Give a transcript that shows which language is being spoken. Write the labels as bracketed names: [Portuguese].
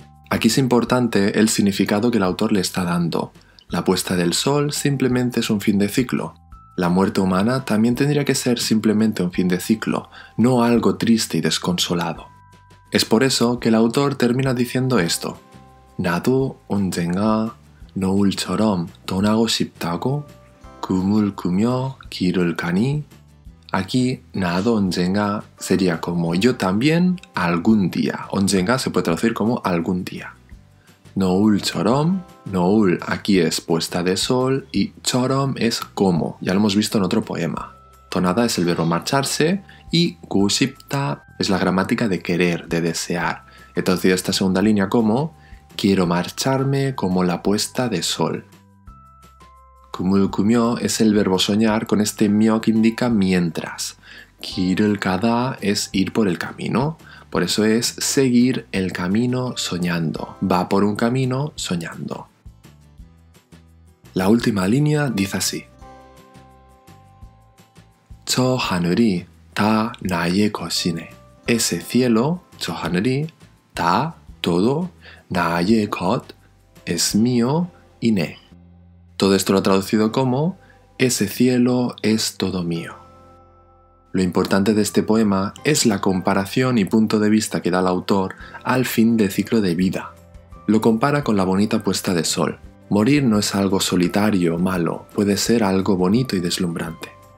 [Spanish] Aquí es importante el significado que el autor le está dando. La puesta del sol simplemente es un fin de ciclo. La muerte humana también tendría que ser simplemente un fin de ciclo, no algo triste y desconsolado. Es por eso que el autor termina diciendo esto. [Korean] 나도 언젠가 노을처럼 떠나고 싶다고 꿈을 꾸며 길을 가니. [Spanish] Aquí, [Korean] 나도 언젠가 [Spanish] sería como yo también algún día. 언젠가 se puede traducir como algún día. 노을처럼, 노을 aquí es puesta de sol y 처럼 es como. Ya lo hemos visto en otro poema. 떠나다 es el verbo marcharse y 고싶다 es la gramática de querer, de desear. He traducido esta segunda línea como quiero marcharme como la puesta de sol. [Korean] 꿈을 꾸며 [Spanish] es el verbo soñar con este 며 que indica mientras. [Korean] 길을 가다 [Spanish] es ir por el camino. Por eso es seguir el camino soñando. Va por un camino soñando. La última línea dice así. [Korean] 저 하늘이 다 나의 것이네. [Spanish] Ese cielo, [Korean] 저 하늘이, 다, todo, 나의 것, [Spanish] es mío, [Korean] 이네. [Spanish] Todo esto lo he traducido como ese cielo es todo mío. Lo importante de este poema es la comparación y punto de vista que da el autor al fin del ciclo de vida. Lo compara con la bonita puesta de sol. Morir no es algo solitario o malo, puede ser algo bonito y deslumbrante.